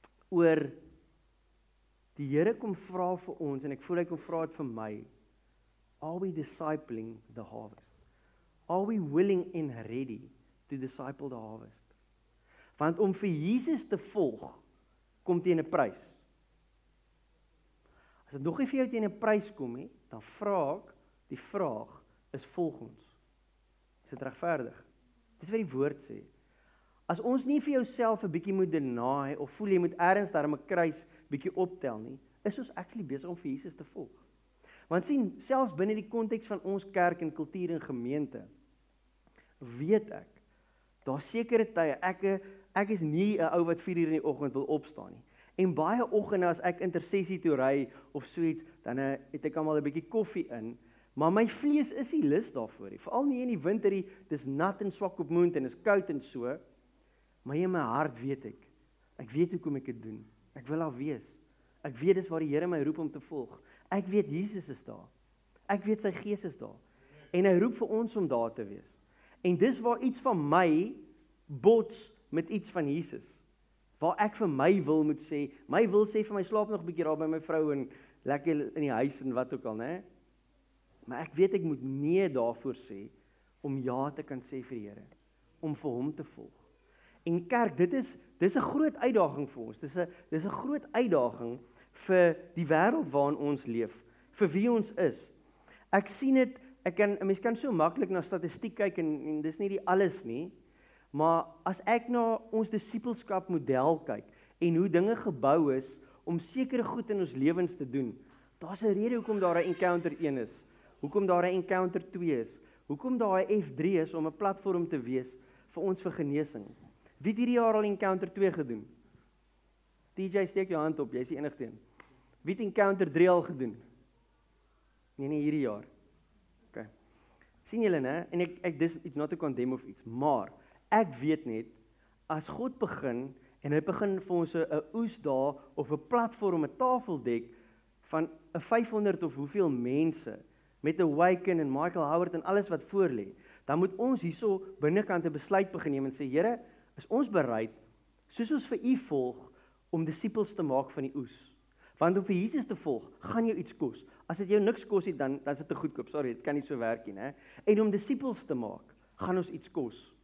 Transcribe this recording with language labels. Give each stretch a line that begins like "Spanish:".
Afrikaans: Oor die Here kom vra vir ons en ek voel hy kom vra dit vir my.
English: Are we discipling the harvest? Are we willing and ready to disciple the harvest?
Afrikaans: Want om vir Jesus te volg kom teen 'n prys. As dit nog nie vir jou teen 'n prys kom nie, dan vra ek die vraag is volg ons. Is dit regverdig? Dis wat die woord sê. As ons nie vir jouself 'n bietjie moet deny of voel jy moet ergens daarmee 'n kruis bietjie optel nie, is ons actually besig om vir Jesus te volg. Want sien, selfs binne die konteks van ons kerk en kultuur en gemeente, weet ek, daar sekere tye, ek is nie 'n ou wat 4 uur in die oggend wil opstaan nie. En baie oggende as ek intersessie toe ry of so iets, dan het ek almal 'n bietjie koffie in, maar my vlees is nie lus daarvoor nie. Veral nie in die winter nie, dis nat en swak op moond en is koud en so. Maar in my hart weet ek. Ek weet hoekom ek dit doen. Ek wil daar wees. Ek weet dis waar die Here my roep om te volg. Ek weet Jesus is daar. Ek weet sy Gees is daar. En hy roep vir ons om daar te wees. En dis waar iets van my bots met iets van Jesus. Waar ek vir my wil moet sê, my wil sê vir my slaap nog 'n bietjie daar by my vrou en lekker in die huis en wat ook al, né? Maar ek weet ek moet nee daarvoor sê om ja te kan sê vir die Here, om vir hom te volg. En kerk, dis 'n groot uitdaging vir ons. Dis 'n groot uitdaging vir die wêreld waarin ons leef, vir wie ons is. Ek sien dit, mens kan so maklik na statistiek kyk en dis nie die alles nie, maar as ek na ons disipelskap model kyk en hoe dinge gebou is om sekere goed in ons lewens te doen, daar's 'n rede hoekom daar 'n encounter 1 is, hoekom daar 'n encounter 2 is, hoekom daar 'n F3 is om 'n platform te wees vir ons vir genesing. Wie het hierdie jaar al encounter 2 gedoen? TJ, steek jou hand op, jy is die enigste een. Wie het encounter 3 al gedoen? Nee, hierdie jaar. Okay. Sien julle, ne? En ek dis iets
English: not to condemn
Afrikaans: of iets, maar ek weet net, as God begin, en hy begin vir ons 'n oes daar, of 'n platform, 'n tafeldek, van 'n 500 of hoeveel mense, met Awaken en Michael Howard en alles wat voorlê, dan moet ons hierso binnenkant 'n besluit begin neem en sê, Here, is ons bereid, soos ons vir u volg, om disippels te maak van die oes? Want om vir Jesus te volg, gaan jou iets kos. As dit jou niks kos nie, dan is dit te goedkoop. Sorry, dit kan nie so werk nie. En om disippels te maak, gaan ons iets kos.